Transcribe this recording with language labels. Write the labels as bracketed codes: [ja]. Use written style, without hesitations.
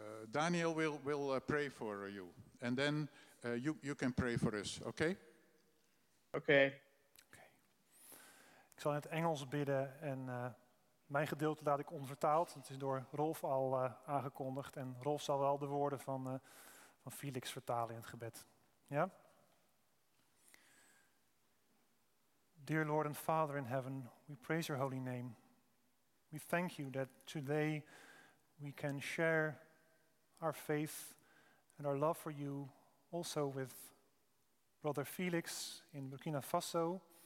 [en] Daniel will pray for you. And then you can pray for us, okay? Okay. Okay. [nl] Ik zal in het Engels bidden en mijn gedeelte laat ik onvertaald. Het is door Rolf al aangekondigd. En Rolf zal wel de woorden van Felix vertalen in het gebed. Ja? [en] Dear Lord and Father in heaven, we praise your holy name. We thank you that today we can share our faith and our love for you. Also with brother Felix in Burkina Faso.